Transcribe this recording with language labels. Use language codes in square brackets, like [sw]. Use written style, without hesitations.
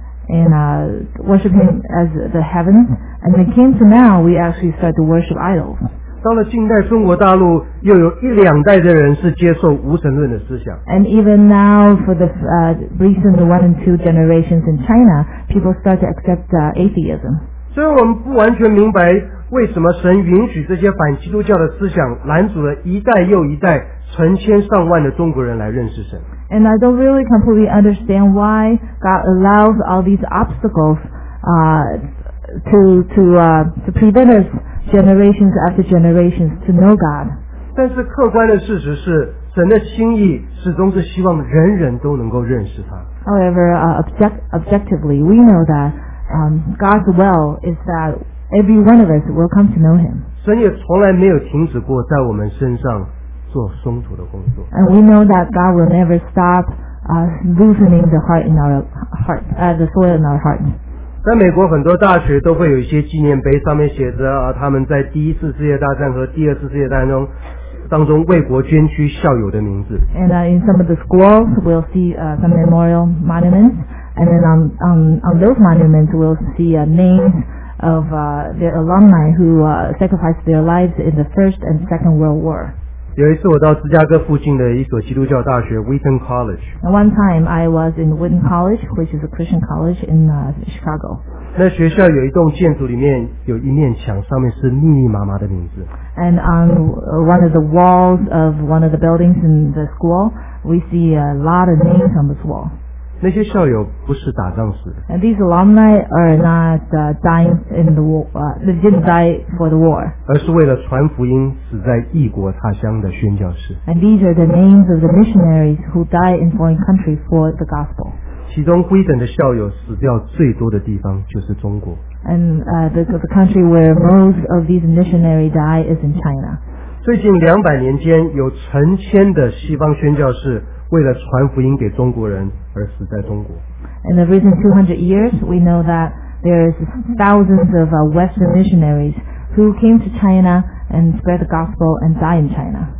[en] And worshiping as the heavens, and it came to now we actually start to worship idols. [zh] 到了近代中国大陆又有一两代的人是接受无神论的思想。 [en] And even now for the recent one and two generations in China, people start to accept atheism. [zh] 所以我们不完全明白为什么神允许这些反基督教的思想拦阻了一代又一代成千上万的中国人来认识神。 [en] And I don't really completely understand why God allows all these obstacles to prevent us generations after generations to know God. [zh] 但是客观的事实是，神的心意始终是希望人人都能够认识他。 [en] However, objectively, we know that God's will is that every one of us will come to know Him. [zh] 神也从来没有停止过在我们身上。 [en] And we know that God will never stop loosening the heart in our heart, the soil in our heart. [zh] 在美国很多大学都会有一些纪念碑，上面写着啊，他们在第一次世界大战和第二次世界大战当中为国捐躯效友的名字。 [en] And in some of the schools, we'll see some memorial monuments, and then on those monuments, we'll see names of the alumni who sacrificed their lives in the First and Second World War. [zh] 有一次我到芝加哥附近的一所基督教大学 Wheaton College. [en] One time I was in Wheaton College, which is a Christian college in Chicago. [zh] 那学校有一栋建筑里面有一面墙，上面是密密麻麻的名字。 [en] And on one of the walls of one of the buildings in the school, we see a lot of names on this wall. [zh] 那些校友不是打仗死的。 [en] And these alumni are not dying in the war. They didn't die for the war. [zh] 而是为了传福音死在异国他乡的宣教士。 [en] And these are the names of the missionaries who died in foreign country for the gospel. [zh] 其中辉等的校友死掉最多的地方就是中国。 [en] And the country where most of these missionaries die is in China. [zh] 最近200年间，有成千的西方宣教士为了传福音给中国人而死在中国。 [en] In the recent 200 years, we know that there is thousands of Western missionaries who came to China and spread the gospel and die in China.